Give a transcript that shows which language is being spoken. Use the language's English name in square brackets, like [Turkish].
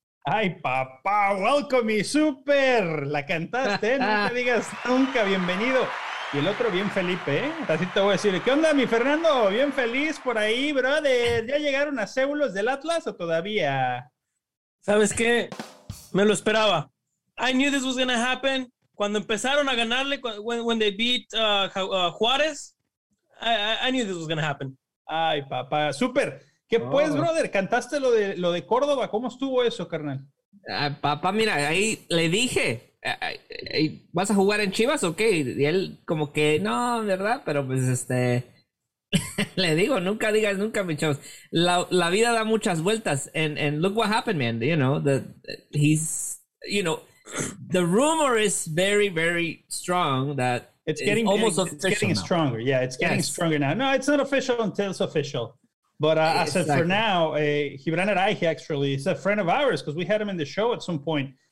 [Spanish] ¡Ay, papá! ¡Welcome, y super! La cantaste, ¿eh? Nunca digas nunca, bienvenido. Y el otro bien Felipe, ¿eh? Así te voy a decir, ¿qué onda, mi Fernando? Bien feliz por ahí, brother. ¿Ya llegaron a Cébulos del Atlas o todavía? ¿Sabes qué? Me lo esperaba. [English] I knew this was going to happen. [Spanish] Cuando empezaron a ganarle, [English] when they beat Juárez, I knew this was going to happen. [Spanish] Ay, papá, súper. ¿Qué pues, brother? ¿Cantaste lo de Córdoba? ¿Cómo estuvo eso, carnal? Papá, mira, ahí le dije, ¿vas a jugar en Chivas o qué? Y él como que, no, ¿verdad? Pero pues, le digo, nunca digas nunca, mi chavos. La vida da muchas vueltas, [English] and look what happened, man, you know, the rumor is very, very strong that it's getting stronger. Yeah, it's getting stronger now. No, it's not official until it's official. But for now, Gibran Araige actually is a friend of ours because we had him in the show at some point.